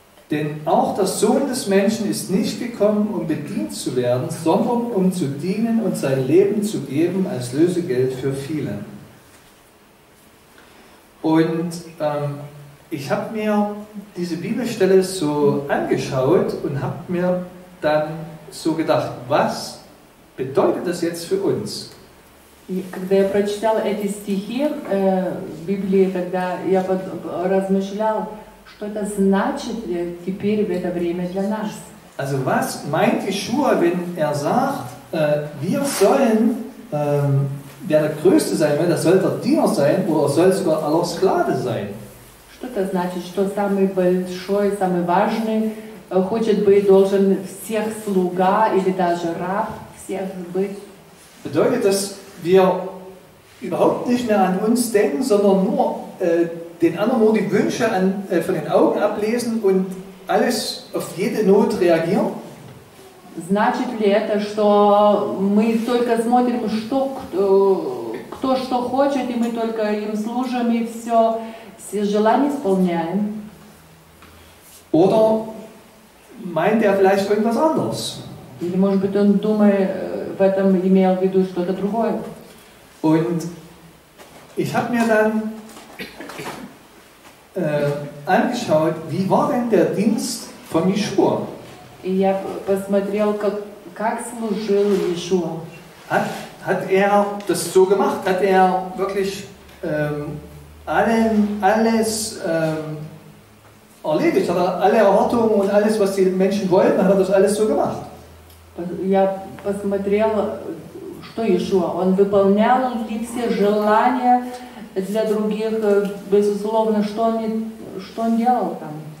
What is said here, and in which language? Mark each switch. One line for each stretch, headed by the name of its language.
German: Denn auch der Sohn des Menschen ist nicht gekommen, um bedient zu werden, sondern um zu dienen und sein Leben zu geben als Lösegeld für viele. Und ich habe mir diese Bibelstelle so angeschaut und habe mir dann so gedacht, was bedeutet das jetzt für uns?
Russian: Когда я прочитал эти стихи в Библии, тогда я размышлял, что это значит теперь в это время для нас.
German: Also was meint Jeschua, wenn sagt, wir sollen, wer der Größte sein will, das soll der Diener sein oder soll sogar aller Sklave sein?
Russian: Что это значит, что самый большой, самый важный хочет быть, должен всех слуга или даже раб всех быть?
German: Bedeutet das, wir überhaupt nicht mehr an uns denken, sondern nur den anderen nur die Wünsche an, von den Augen ablesen und alles auf jede Not reagieren?
Russian: Значит ли это, что мы только смотрим, что кто что хочет, и мы только им служим и все желания исполняем?
German: Oder meint er vielleicht irgendwas anderes?
Russian: Или может быть он думает в этом имел в виду что-то другое?
German: Und ich habe mir dann angeschaut, wie war denn der Dienst von Jeschua?
Russian: Я посмотрел, как служил Иешуа.
German: Hat er das so gemacht? Hat er wirklich alles erledigt? Hat er alle Erwartungen und alles, was die Menschen wollten, hat er das alles so gemacht?
Russian: Я посмотрел, что Иешуа, он выполнял ли все желания для других, безусловно, что он делал там?